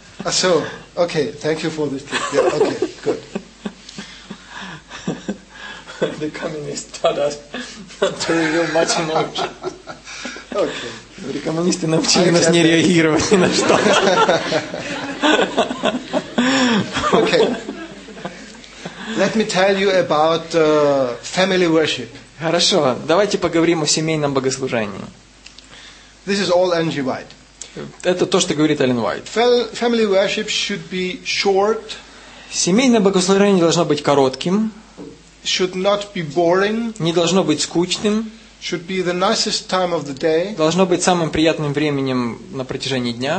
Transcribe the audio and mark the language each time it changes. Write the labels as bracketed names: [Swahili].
[English] So, okay, thank you for this tip. Yeah, okay, good. The communists taught us not to reveal much emotion. Okay. [Russian] Коммунисты научили нас не реагировать ни на что. [English] Okay. Let me tell you about family worship. [Russian] Хорошо, давайте поговорим о семейном богослужении. [English] This is all Andrew White. [Russian] Это то, что говорит Эллен Уайт. [English] Family worship should be short. [Russian] Семейное богослужение должно быть коротким. [English] Should not be boring. [Russian] Не должно быть скучным. [English] Should be the nicest time of the day. [Russian] Должно быть самым приятным временем на протяжении дня.